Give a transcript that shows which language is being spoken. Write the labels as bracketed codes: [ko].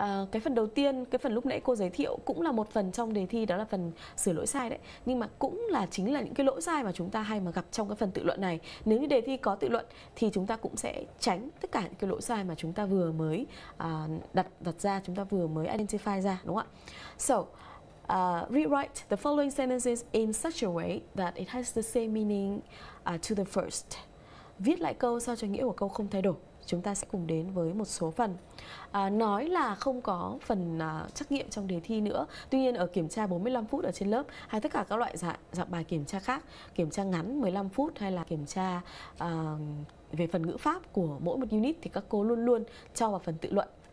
[vi] Cái phần đầu tiên, cái phần lúc nãy cô giới thiệu cũng là một phần trong đề thi, đó là phần sửa lỗi sai đấy. Nhưng mà cũng là chính là những cái lỗi sai mà chúng ta hay mà gặp trong cái phần tự luận này. Nếu như đề thi có tự luận thì chúng ta cũng sẽ tránh tất cả những cái lỗi sai mà chúng ta vừa mới đặt ra, chúng ta vừa mới identify ra, đúng không ạ? [en] So, rewrite the following sentences in such a way that it has the same meaning to the first. [vi] Viết lại câu sao cho nghĩa của câu không thay đổi. Chúng ta sẽ cùng đến với một số phần. Nói là không có phần trắc nghiệm trong đề thi nữa. Tuy nhiên ở kiểm tra 45 phút ở trên lớp hay tất cả các loại dạng bài kiểm tra khác, kiểm tra ngắn 15 phút hay là kiểm tra về phần ngữ pháp của mỗi một unit thì các cô luôn luôn cho vào phần tự luận.